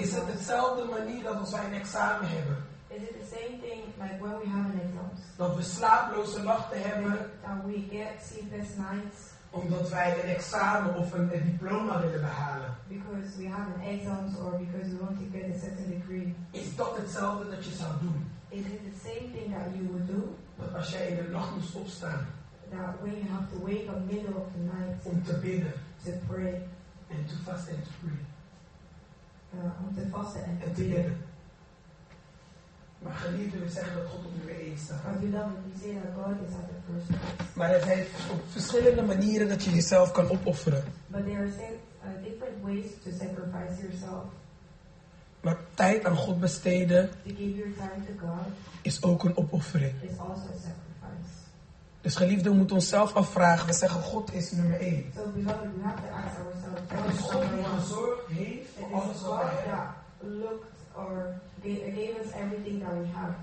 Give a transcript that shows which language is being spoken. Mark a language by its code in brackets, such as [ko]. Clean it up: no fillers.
[nl] Is het dezelfde manier dat als wij een examen hebben? [en] Is it the same thing like when we have an exam? [nl] Dat we slaaploze nachten hebben. [en] That we get sleepless nights. [nl] Omdat wij een examen of een diploma willen behalen. [en] Because we have an exam or because we want to get a certain degree. [nl] Is dat hetzelfde dat je zou doen? [en] Is it the same thing that you would do? [nl] Dat als jij in de nacht moest opstaan. [en] That when you have to wake up middle of the night. [nl] Om te bidden. [en] To pray. And to fast and to pray. [nl] Om te vasten en te bidden. Maar geliefden, we zeggen dat God op nummer 1 staat. Maar er zijn verschillende manieren dat je jezelf kan opofferen. [en] But there are different ways to sacrifice yourself. [nl] Maar tijd aan God besteden. [en] To give your time to God. [nl] Is ook een opoffering. [en] Is also a sacrifice. [nl] Dus geliefden, we moeten onszelf afvragen. We zeggen God is nummer 1. [en] So beloved, we have to ask ourselves. [nl] Dat is God die gezorgd heeft voor alles wat wij hebben. [en] Or gave us everything that we have.